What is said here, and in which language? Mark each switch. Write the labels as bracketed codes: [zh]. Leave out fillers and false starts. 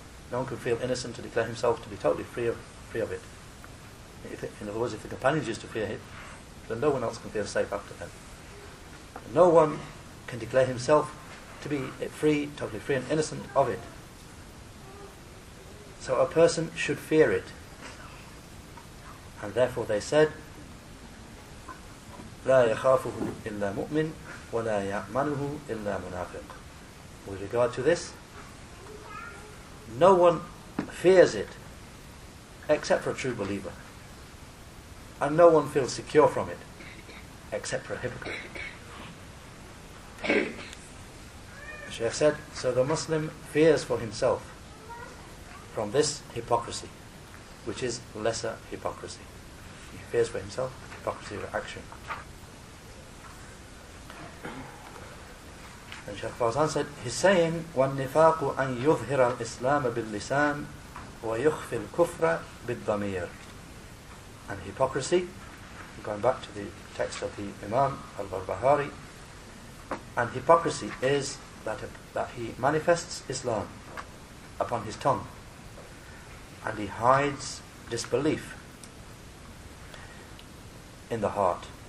[en] No one can feel innocent to declare himself to be totally free of it. In other words, if the companions used to fear it, then no one else can feel safe after them. No one can declare himself to be free, totally free and innocent of it. So a person should fear it. And therefore they said, [ar] لَا يَخَافُهُ إِلَّا مُؤْمِنْ وَلَا يَأْمَنُهُ إِلَّا مُنَافِقْ. [en] With regard to this, no one fears it except for a true believer. And no one feels secure from it except for a hypocrite. The Shaykh said, so the Muslim fears for himself from this hypocrisy, which is lesser hypocrisy. He fears for himself hypocrisy of action. And Shaykh Fawzan said, he's saying, [ar] وَالنِّفَاقُ أَنْ يُظْهِرَ الْإِسْلَامَ بِاللِّسَانِ وَيُخْفِي الْكُفْرَ بِالضَّمِيرِ. [en] And hypocrisy, going back to the text of the Imam al-Barbahari, and hypocrisy is that he manifests Islam upon his tongue, and he hides disbelief in the heart.